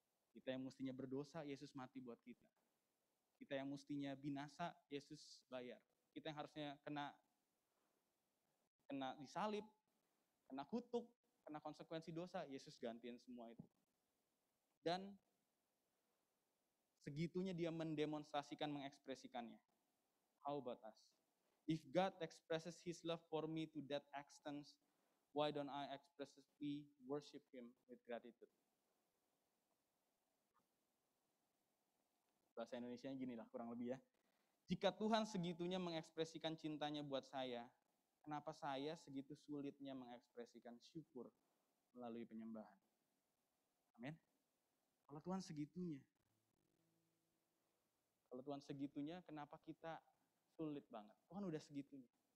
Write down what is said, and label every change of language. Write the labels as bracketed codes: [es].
[id] Kita yang mestinya berdosa, Yesus mati buat kita. Kita yang mestinya binasa, Yesus bayar. Kita yang harusnya kena disalib, kena kutuk, kena konsekuensi dosa, Yesus gantiin semua itu. Dan segitunya dia mendemonstrasikan, mengekspresikannya. [en] How about us? If God expresses his love for me to that extent, why don't I expressively worship him with gratitude? [id] Bahasa Indonesia gini lah kurang lebih ya. Jika Tuhan segitunya mengekspresikan cintanya buat saya, kenapa saya segitu sulitnya mengekspresikan syukur melalui penyembahan? Amin. Kalau Tuhan segitunya, kenapa kita sulit banget? Tuhan udah segitunya.